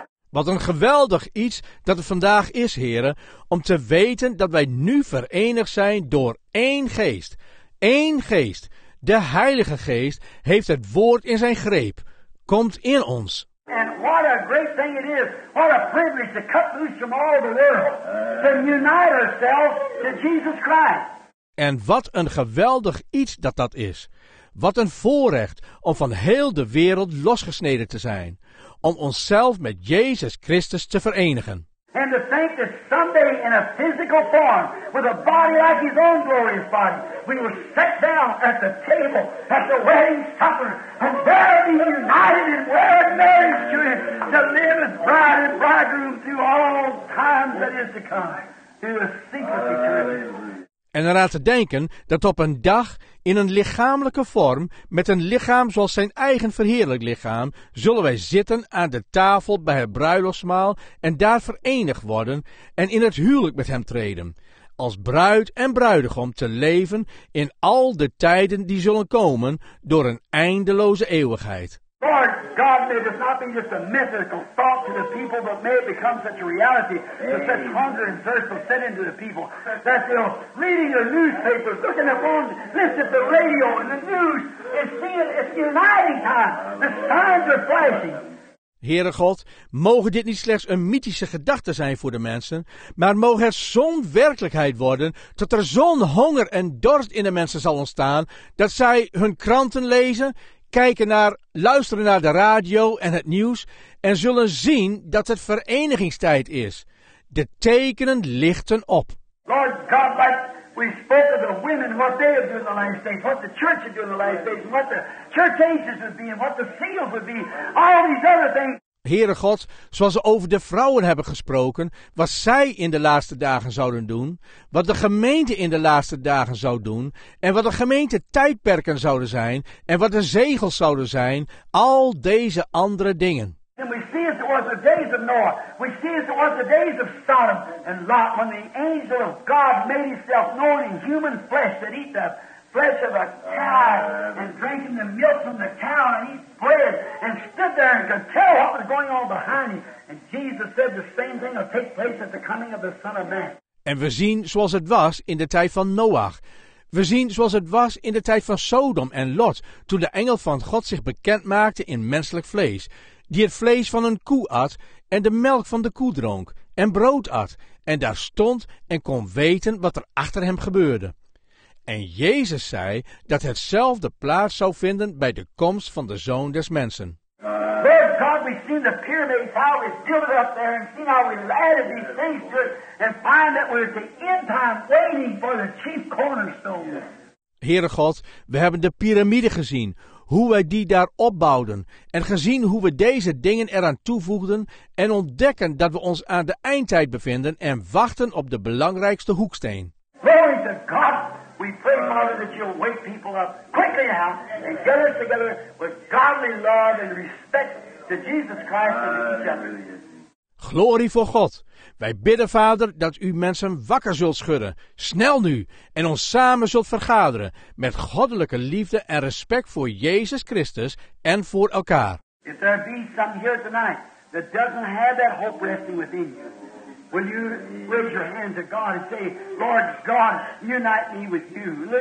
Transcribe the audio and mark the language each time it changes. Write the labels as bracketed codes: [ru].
[nl] Wat een geweldig iets dat het vandaag is, heren, om te weten dat wij nu verenigd zijn door één geest. Eén geest, de Heilige Geest, heeft het woord in zijn greep, komt in ons. [en] And what a great thing it is, what a privilege to cut loose from all the world, to unite ourselves to Jesus Christ. [nl] En wat een geweldig iets dat is. Wat een voorrecht om van heel de wereld losgesneden te zijn. Om onszelf met Jezus Christus te verenigen. [en] En to think that someday in a physical form, with a body like His own glorious body, we will sit down at the table, at the wedding supper, and there be united in wed marriage to Him, to live as bride and bridegroom through all times that is to come, through a secret eternity. [nl] En eraan te denken dat op een dag in een lichamelijke vorm, met een lichaam zoals zijn eigen verheerlijk lichaam, zullen wij zitten aan de tafel bij het bruiloftsmaal en daar verenigd worden en in het huwelijk met hem treden, als bruid en bruidegom te leven in al de tijden die zullen komen door een eindeloze eeuwigheid. [en] Lord God, may this not be just a mythical thought to the people, but may it become such a reality, that such hunger and thirst will set into the people, that they'll reading the newspapers, looking at the phones, listening to the radio and the news, and seeing it's uniting time, the signs are flashing. [nl] Heere God, mogen dit niet slechts een mythische gedachte zijn voor de mensen, maar mogen het zo'n werkelijkheid worden dat er zo'n honger en dorst in de mensen zal ontstaan, dat zij hun kranten lezen, kijken naar, luisteren naar de radio en het nieuws en zullen zien dat het verenigingstijd is. De tekenen lichten op. [en] Lord God, like we spoke of the women, what they have done in the last days, what the church has done in the last days, what the church ages would be, and what the seals would be, all these other things. [nl] Heere God, zoals we over de vrouwen hebben gesproken, wat zij in de laatste dagen zouden doen, wat de gemeente in de laatste dagen zou doen, en wat de gemeente tijdperken zouden zijn, en wat de zegels zouden zijn, al deze andere dingen. [en] And we see as it was the days of Noah. We see as it was the days of Sodom and Lot, when the angel of God made himself known in human flesh that eat the flesh of a cow and drinking the milk from the cow and eat bread and stood there and could tell what was going on behind him. And Jesus said the same thing will take place at the coming of the Son of Man. [nl] En we zien zoals het was in de tijd van Noach. We zien zoals het was in de tijd van Sodom en Lot, toen de engel van God zich bekend maakte in menselijk vlees, die het vlees van een koe at en de melk van de koe dronk en brood at en daar stond en kon weten wat er achter hem gebeurde. En Jezus zei dat hetzelfde plaats zou vinden bij de komst van de Zoon des Mensen. [en] Lord God, we've seen the pyramids, how we build up there, and seen how we added these things to it, and find that we're at the end time waiting for the chief cornerstone. [nl] Heere God, we hebben de piramide gezien, hoe wij die daar opbouwden, en gezien hoe we deze dingen eraan toevoegden, en ontdekken dat we ons aan de eindtijd bevinden en wachten op de belangrijkste hoeksteen. [en] Glory to God! We pray, Father, that you'll wake people up quickly now and get us together with godly love and respect to Jesus Christ and each other. [nl] Glorie voor God. Wij bidden, Vader, dat u mensen wakker zult schudden, snel nu, en ons samen zult vergaderen met goddelijke liefde en respect voor Jezus Christus en voor elkaar. [en] If there be some here tonight that doesn't have that hope resting within you, will you raise your hand to God and say, Lord God, unite me with you.